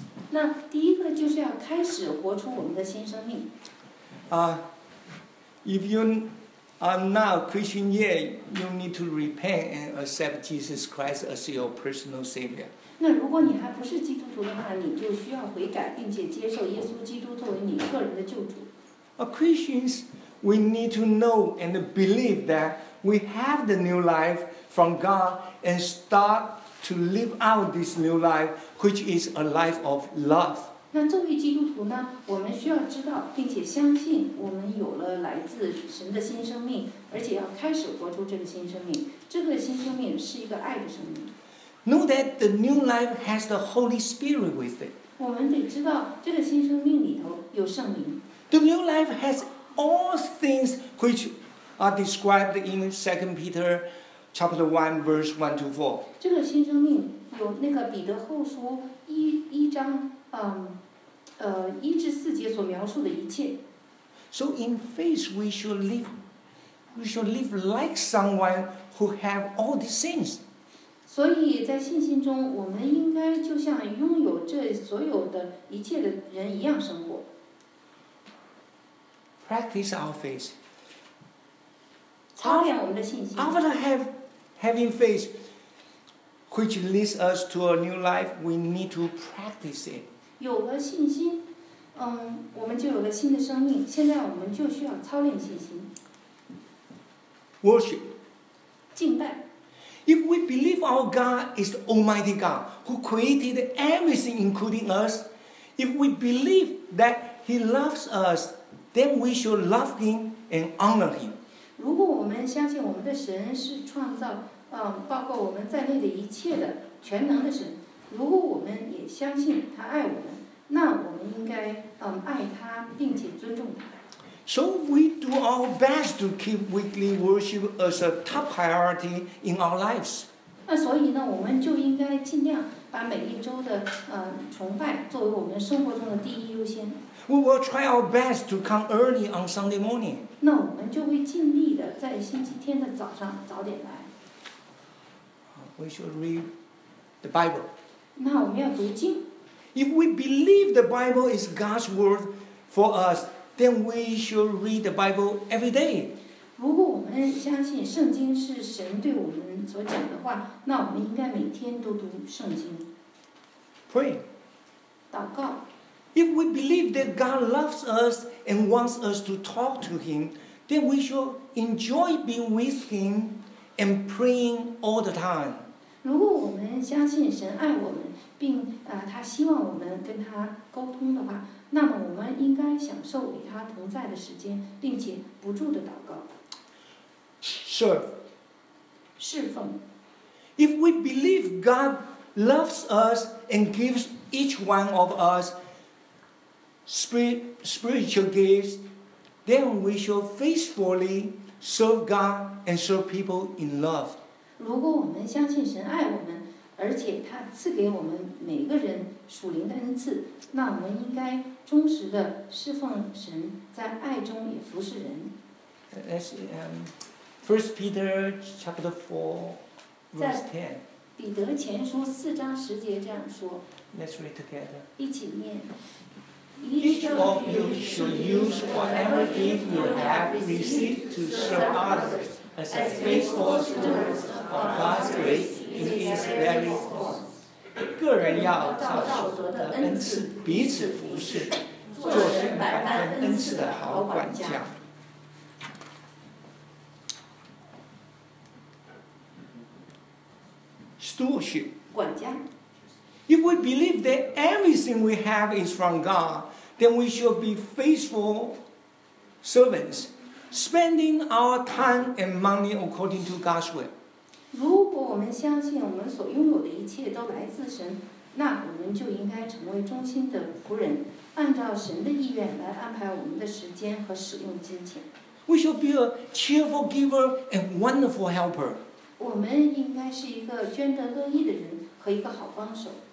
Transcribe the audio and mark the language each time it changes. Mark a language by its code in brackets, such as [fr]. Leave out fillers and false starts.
[zh] 那第一个就是要开始活出我们的新生命。 [en] If you are not Christian yet, you need to repent and accept Jesus Christ as your personal savior. [zh] 那如果你还不是基督徒的话，你就需要悔改，并且接受耶稣基督作为你个人的救主。 [en] Christians, we need to know and believe that we have the new life from God and start to live out this new life, which is a life of love. [zh] 那作为基督徒呢，我们需要知道并且相信我们有了来自神的新生命，而且要开始活出这个新生命。这个新生命是一个爱的生命。 [en] Know that the new life has the Holy Spirit with it. [zh] 我们得知道这个新生命里头有圣灵。 [en] The new life has all things which are described in 2 Peter chapter 1, verse 1 to 4. [zh] 这个新生命有那个彼得后书一章一至四节所描述的一切。 [en] So in faith we should live like someone who have all these things. [zh] 所以在信心中我们应该就像拥有这所有的一切的人一样生活。 [en] Practice our faith. [zh] 操练我们的信心。 [en] After having faith which leads us to a new life, we need to practice it. [zh] 有了信心，我们就有了新的生命，现在我们就需要操练信心。 [en] Worship. [zh] 敬拜。 [en] If we believe our God is the Almighty God who created everything including us, if we believe that He loves us, then we should love Him and honor Him. [zh] 如果我们相信我们的神是创造包括我们在内的一切的全能的神，如果我们也相信他爱我们，那我们应该爱他并且尊重他。 [en] So we do our best to keep weekly worship as a top priority in our lives. [zh] 那所以呢，我们就应该尽量把每一周的崇拜作为我们生活中的第一优先。 [en] We will try our best to come early on Sunday morning. [zh] 那我们就会尽力的在星期天的早上早点来。 [en] We should read the Bible. [zh] 那我们要读经。 [en] If we believe the Bible is God's word for us, then we should read the Bible every day. [zh] 如果我们相信圣经是神对我们所讲的话，那我们应该每天都读圣经。 [en] Pray. [zh] 祷告。 [en] If we believe that God loves us and wants us to talk to Him, then we should enjoy being with Him and praying all the time. [zh] 如果我们相信神爱我们，并他希望我们跟他沟通的话，那么我们应该享受与他同在的时间，并且不住的祷告。 [en] Serve. [zh] 侍奉。 [en] If we believe God loves us and gives each one of us spiritual gifts, then we shall faithfully serve God and serve people in love. [zh] 如果我们相信神爱我们，而且他赐给我们每个人属灵的恩赐，那我们应该忠实的侍奉神，在爱中也服侍人。 [en] Let's First Peter chapter 4:10. [zh] 在彼得前书四章十节这样说。 [en] Let's read together. [zh] 一起念。 [en] Each of you should use whatever gift you have received to serve others as faithful stewards of God's grace in His very form. [zh] 个人要照所得的恩赐彼此服侍，做神百般恩赐的好管家。 [en] Stewardship. [zh] 管家。 [en] If we believe that everything we have is from God, then we should be faithful servants, spending our time and money according to God's will. [zh] 如果我们相信我们所拥有的一切都来自神，那我们就应该成为忠心的仆人，按照神的意愿来安排我们的时间和使用金钱。 [en] We should be a cheerful giver and wonderful helper. [zh] 我们应该是一个捐得乐意的人和一个好帮手。